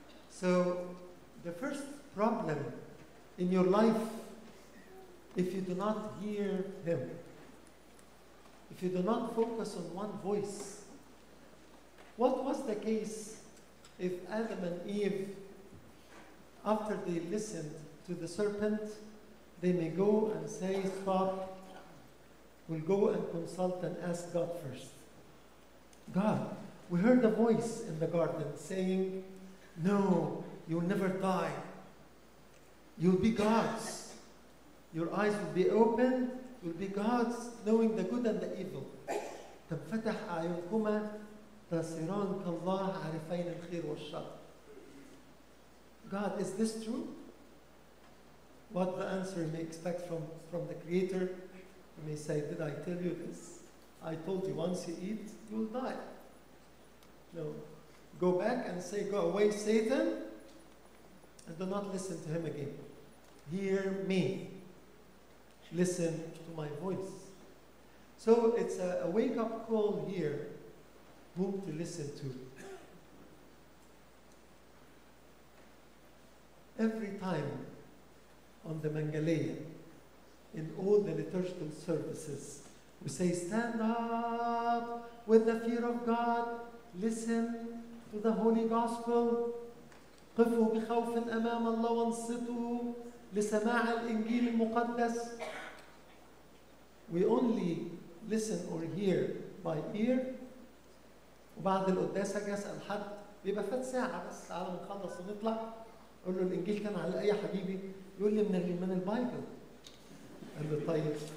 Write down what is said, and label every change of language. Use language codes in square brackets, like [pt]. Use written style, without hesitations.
[en] So, the first problem in your life, if you do not hear him, if you do not focus on one voice, what was the case if Adam and Eve, after they listened to the serpent, they may go and say, Stop, we'll go and consult and ask God first. God, we heard a voice in the garden saying, No, you'll never die. You'll be gods. Your eyes will be open. You'll be gods, knowing the good and the evil. [ar] تنفتح عيونكما تصيران كالله عارفين الخير والشر. [en] God, is this true? What the answer you may expect from the Creator? You may say, Did I tell you this? I told you once you eat, you'll die. No. Go back and say, Go away, Satan, and do not listen to him again. Hear me. Listen to my voice. So it's a wake-up call here, whom to listen to. Every time on the Mangalaya, in all the liturgical services, we say, Stand up with the fear of God, listen. To the Holy Gospel, [ar] قفوا بخوف أمام الله وانصتوا لسماع الإنجيل المقدس. [en] We only listen or hear by ear. [ar] وبعد القداسة أسأل حد بيبقى فات ساعة بس على ما نخلص ونطلع أقول له الإنجيل كان على أي حبيبي؟ يقول لي من البايبل. قال له طيب.